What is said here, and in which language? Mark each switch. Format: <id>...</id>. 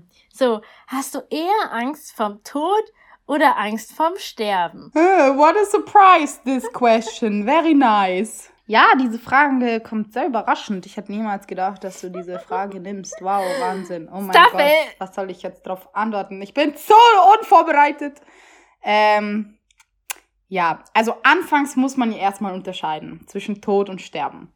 <de>So, hast du eher Angst vorm Tod oder Angst vorm Sterben?</de> <en>What a surprise, this question. Very nice.</en> <de>Ja, diese Frage kommt sehr überraschend. Ich hätte niemals gedacht, dass du diese Frage nimmst. Wow, Wahnsinn. Oh mein Gott, was soll ich jetzt darauf antworten? Ich bin so unvorbereitet. Ja, also anfangs muss man ja erstmal unterscheiden zwischen Tod und Sterben.</de>